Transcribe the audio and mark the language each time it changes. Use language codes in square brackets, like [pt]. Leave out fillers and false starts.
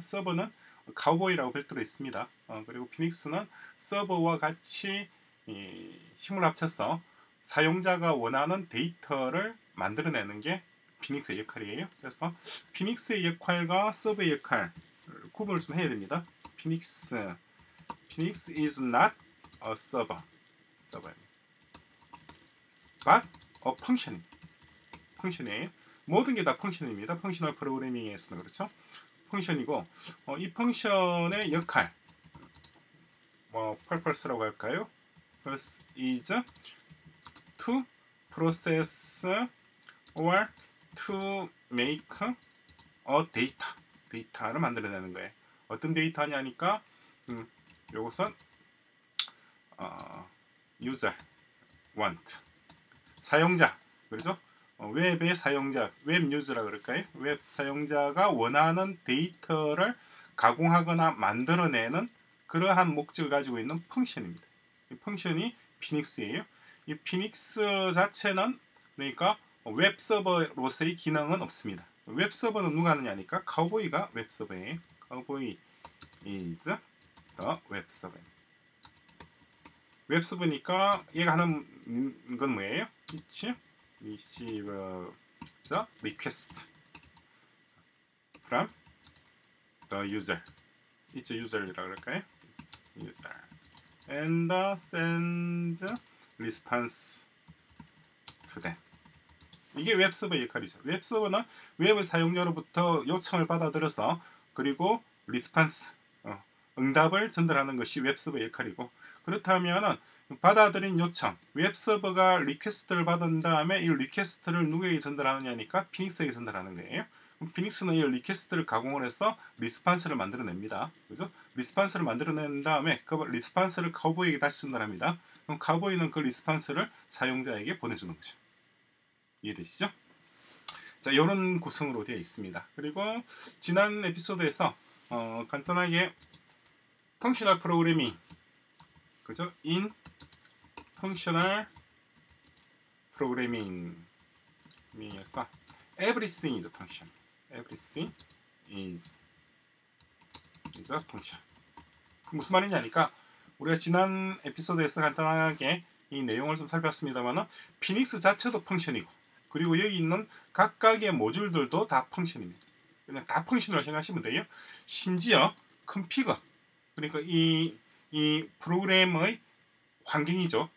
[ko] 서버는 카우보이라고 별도로 있습니다. 그리고 피닉스는 서버와 같이 힘을 합쳐서 사용자가 원하는 데이터를 만들어내는 게 피닉스의 역할이에요. 그래서 피닉스의 역할과 서버의 역할을 구분을 좀 해야 됩니다. [en] 피닉스, Phoenix is not a server. [ko] 서버입니다. [en] But a function. [ko] 펑션이에요. 모든 게 다 펑션입니다. 펑셔널 프로그래밍에서는 그렇죠. 펑션이고, 이 펑션의 역할, 뭐 purpose라고 할까요? [en] Purpose is to process or to make a data. [ko] 데이터를 만들어내는 거예요. 어떤 데이터냐니까, 요것은 [en] user want, [ko] 사용자, 그렇죠? 웹의 사용자, 웹 유저라 그럴까요? 웹 사용자가 원하는 데이터를 가공하거나 만들어내는 그러한 목적을 가지고 있는 펑션입니다. 이 펑션이 피닉스예요. 이 피닉스 자체는, 그러니까 웹 서버로서의 기능은 없습니다. 웹 서버는 누가 하느냐니까 카우보이가 웹 서버예요. 카우보이 is the 웹 서버. 웹 서버니까 얘가 하는 건 뭐예요? 그치? [en] Receive the request from the user. It's a user [ko] 이라고 그럴까요? [en] User. And send response to them. [ko] 이게 웹서버의 역할이죠. 웹서버는 웹의 사용자로부터 요청을 받아들여서 그리고 response, 응답을 전달하는 것이 웹서버의 역할이고, 그렇다면은 받아들인 요청, 웹서버가 리퀘스트를 받은 다음에 이 리퀘스트를 누구에게 전달하느냐니까 피닉스에게 전달하는 거예요. 그럼 피닉스는 이 리퀘스트를 가공을 해서 리스판스를 만들어냅니다. 그죠? 리스판스를 만들어낸 다음에 그 리스판스를 카우보이에게 다시 전달합니다. 그럼 카우보이는 그 리스판스를 사용자에게 보내주는 거죠. 이해되시죠? 자, 이런 구성으로 되어 있습니다. 그리고 지난 에피소드에서 간단하게 펑셔널 프로그래밍, 그죠? [en] In functional programming에서 everything is a function. Everything is a function. [ko] 무슨 말이냐니까, 우리가 지난 에피소드에서 간단하게 이 내용을 좀 살펴봤습니다만은 Phoenix 자체도 function이고, 그리고 여기 있는 각각의 모듈들도 다 function입니다. 그냥 다 function으로 생각하시면 돼요. 심지어 configure, 그러니까 이 프로그램의 환경이죠.